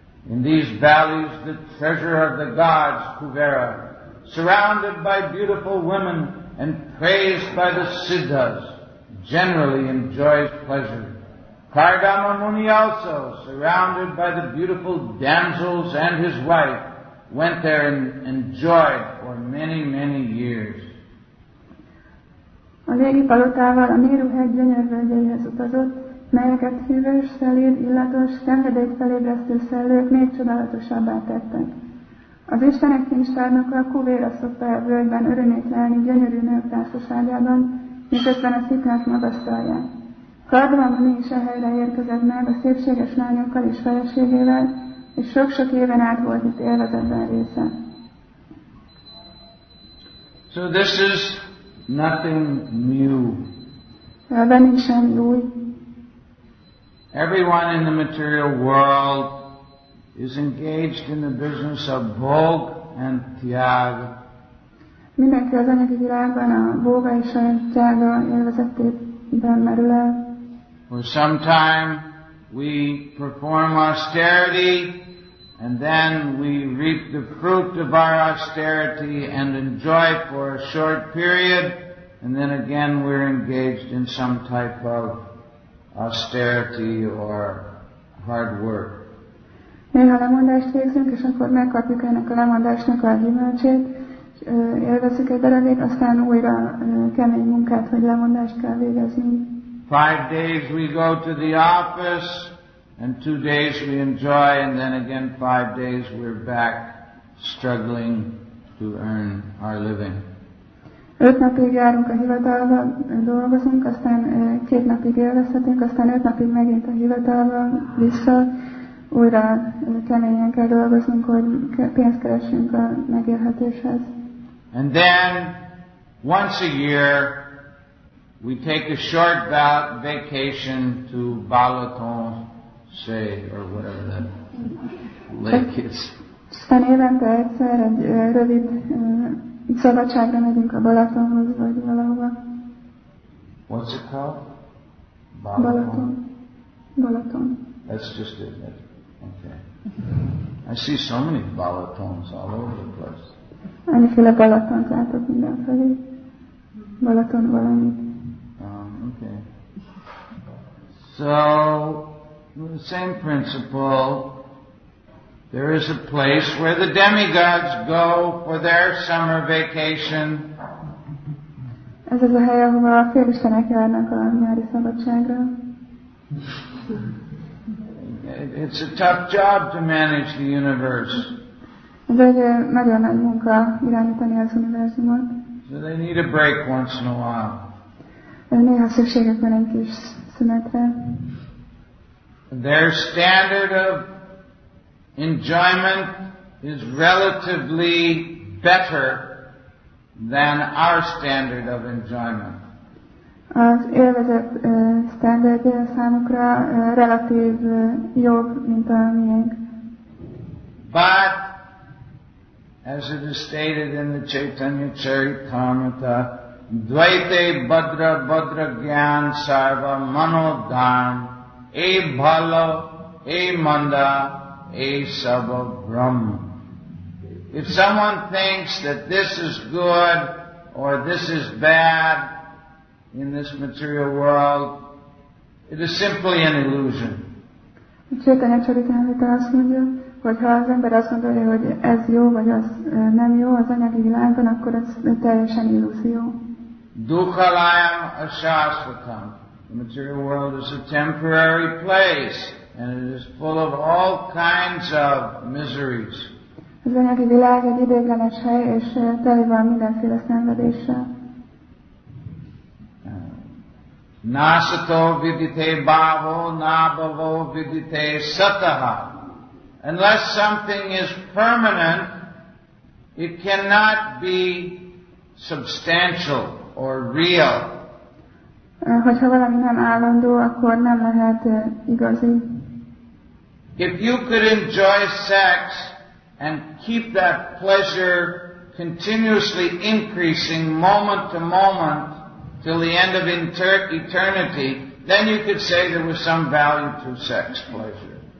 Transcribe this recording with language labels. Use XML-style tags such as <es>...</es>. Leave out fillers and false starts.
<en>In these valleys, the treasurer of the gods, Kuvera, surrounded by beautiful women and praised by the siddhas, generally enjoys pleasure. Kardama Muni also, surrounded by the beautiful damsels and his wife, went there and enjoyed for many, many years.</en> <hu>A régi palotával a Néruhegy gyönyör völgyeihez utazott, melyeket hűvös, szelíd, illatos, szenvedélyt felébresztő szellők még csodálatosabbá tettek. Az istenek kincstárnoka kuvéra szokta a völgyben örömét lelni gyönyörű nők társaságában, miközben a sziklát magasztalják. Kardamon is a helyre érkezett meg a szépséges lányokkal és feleségével, és sok-sok éven át volt itt élvezetben része.</hu> <en>So this is nothing new.</en> <hu>Ebben nincs semmi új.</hu> <en>Everyone in the material world is engaged in the business of bhog and tyag.</en> <hu>Mindenki az anyagi világban a bhoga és a tyaga élvezetében merül el.</hu> <en>For some time we perform austerity and then we reap the fruit of our austerity and enjoy for a short period. And then again we're engaged in some type of austerity or hard work.</en> <hu>Néha lemondást végzünk, és akkor megkapjuk ennek a lemondásnak a gyümölcsét, élvezzük egy darabig, aztán újra kemény munkát, hogy lemondást kell végeznünk.</hu> <en>5 days we go to the office, and 2 days we enjoy, and then again 5 days we're back struggling to earn our living.</en> <hu>5 napig járunk a hivatalba, dolgozunk, aztán 2 napig élvezhetünk, aztán 5 napig megint a hivatalba vissza, újra keményen kell dolgoznunk, hogy pénzt keressünk a megélhetéshez.</hu> <en>And then, once a year, we take a short vacation to Balaton Say, or whatever that lake is.</en> <hu>Aztán évente egyszer egy rövid szabadságra megyünk a Balatonhoz, vagy valahova.</hu> <en>What's it called?</en> <hu>Balaton. Balaton. Balaton.</hu> <en>That's just it. Okay. I see so many Balatons all over the place.</en> <hu>Annyiféle Balatont látok mindenfelé. Balaton valami.</hu> <en>Okay. So, with the same principle, there is a place where the demigods go for their summer vacation.</en> <hu>Ez az a hely, ahova a félistenek járnak a nyári szabadságra.</hu> <en>It's a tough job to manage the universe.</en> <hu>Ez egy nagyon nagy munka irányítani az univerzumot.</hu> <en>So they need a break once in a while.</en> <hu>Néha szükségük van egy kis szünetre.</hu> <en>Their standard of enjoyment is relatively better than our standard of enjoyment.</en> <hu>Az élvezet standardja számukra relatív jobb, mint a miénk.</hu> <en>But, as it is stated in the Chaitanya Charitamrita,</en> <sa>dvaite badra badra gyan sarva mano dan e bhalo e manda e sabha brahm.</sa> <en>If someone thinks that this is good or this is bad in this material world, it is simply an illusion.</en> <hu>Chaitanya Charitamrita azt mondja, hogy ha az ember azt gondolja, hogy ez jó vagy az nem jó az anyagi világban, akkor ez teljesen illúzió.</hu> <sa>Dukhalayam ashashvatam.</sa> <en>The material world is a temporary place, and it is full of all kinds of miseries.</en> <hu>Az anyagi világ egy ideiglenes hely, és tele van mindenféle szenvedéssel.</hu> <sa>Nasato vidite bhavo nabhavo vidite sataha.</sa> <en>Unless something is permanent, it cannot be substantial. Or real.</en> <hu>Hogyha valami nem állandó, akkor nem lehet igazi.</hu> <en>If you could enjoy sex and keep that pleasure continuously increasing moment to moment till the end of eternity, then you could say there was some value to sex pleasure.</en>